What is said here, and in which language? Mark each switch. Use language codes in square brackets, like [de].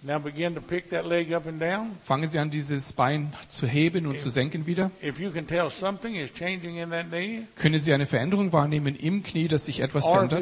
[en] Now begin to pick that leg up and down. [de] Fangen Sie an, dieses Bein zu heben und zu senken wieder. [en] If you can tell something is changing in that knee, [de] können Sie eine Veränderung wahrnehmen im Knie, dass sich etwas verändert?